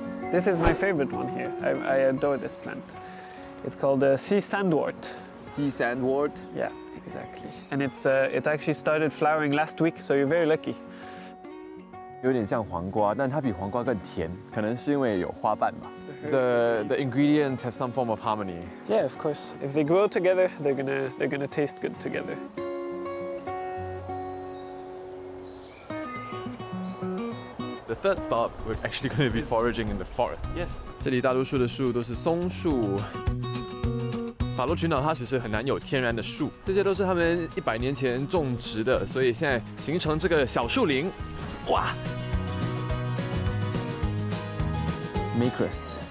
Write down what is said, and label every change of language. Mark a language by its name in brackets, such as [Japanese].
[English] This is my favorite one here. I adore this plant. It's called sea sandwort. Sea sandwort? Yeah, exactly. And it actually started flowering last week, so you're very lucky. [Chinese] 有点像黄瓜，但它比黄瓜更甜，可能是因为有花瓣吧。 [English] The ingredients have some form of harmony. Yeah, of course. If they grow together, they're gonna taste good together. The third stop, we're actually going to be foraging in the forest. Yes. [Chinese] 这里大多数的树都是松树。法罗群岛它其实很难有天然的树，这些都是他们一百年前种植的，所以现在形成这个小树林。哇，Macros,